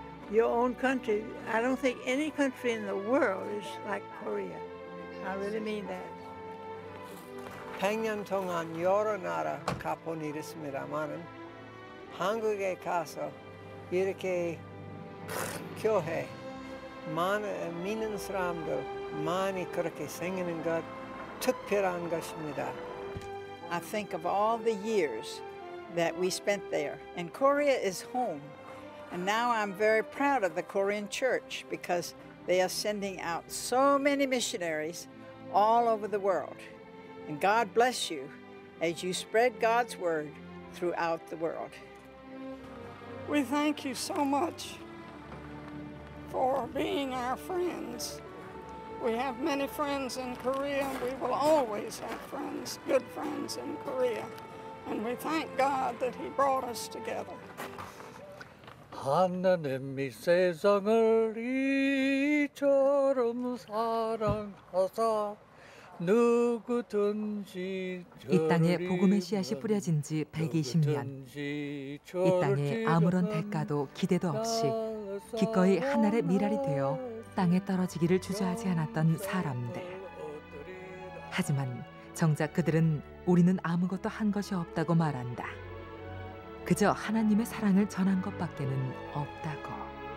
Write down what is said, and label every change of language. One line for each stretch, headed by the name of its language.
English: 그 I don't think any country in the world is like Korea. I really mean that.
Korean: 100년 동안 여러 나라 가본 일 있습니다만은 한국에 가서 이렇게 교회 많은 믿는 사람들 많이 그렇게 생기는 것 특별한 것입니다.
English: I think of all the years that we spent there, and Korea is home. And now I'm very proud of the Korean church because they are sending out so many missionaries all over the world. And God bless you as you spread God's word throughout the world. We thank you so much for being our friends. We have many friends in Korea. We will always have friends, good friends in Korea. And we thank God that He brought us together.
Korean: 하나님이 세상을 이처럼 사랑하사 누구든지 이 땅에 복음의 씨앗이 뿌려진 지 120년 이 땅에 아무런 대가도 기대도 없이 기꺼이 하늘의 미랄이 되어 땅에 떨어지기를 주저하지 않았던 사람들 하지만 정작 그들은 우리는 아무것도 한 것이 없다고 말한다 그저 하나님의 사랑을 전한 것밖에는 없다고.